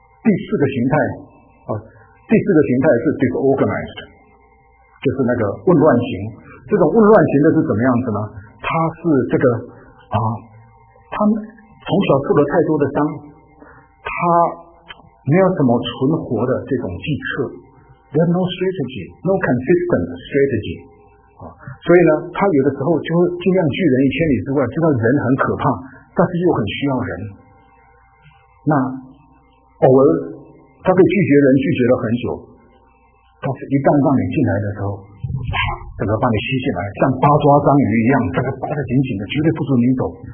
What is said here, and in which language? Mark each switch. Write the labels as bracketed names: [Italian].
[Chinese] 第四个形态是 disorganized， 就是那个混乱型。这种混乱型的是怎么样子呢？他是这个啊，他从小受了太多的伤，他没有什么存活的这种计策。 [English] There's no strategy, no consistent strategy. [Chinese] 所以呢，他有的时候就会尽量拒人于千里之外，知道人很可怕，但是又很需要人。那偶尔他被拒绝人拒绝了很久，但是一旦让你进来的时候，整个把你吸进来，像八抓章鱼一样，整个扒得紧紧的，绝对不准你走。